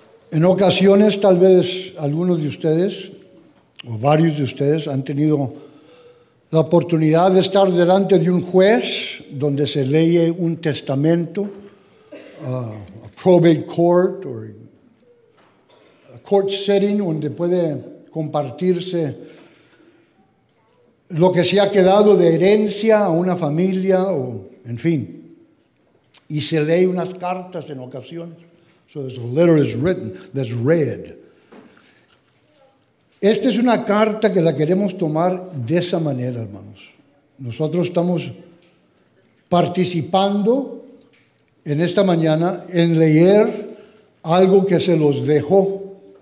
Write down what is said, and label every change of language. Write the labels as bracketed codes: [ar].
[es] En ocasiones, tal vez algunos de ustedes o varios de ustedes han tenido la oportunidad de estar delante de un juez donde se lee un testamento, [en] a probate court or a court setting, [es] donde puede compartirse lo que se ha quedado de herencia a una familia o en fin. Y se lee unas cartas en ocasiones. [en] So there's a letter is written that's read. [es] Esta es una carta que la queremos tomar de esa manera, hermanos. Nosotros estamos participando en esta mañana en leer algo que se los dejó.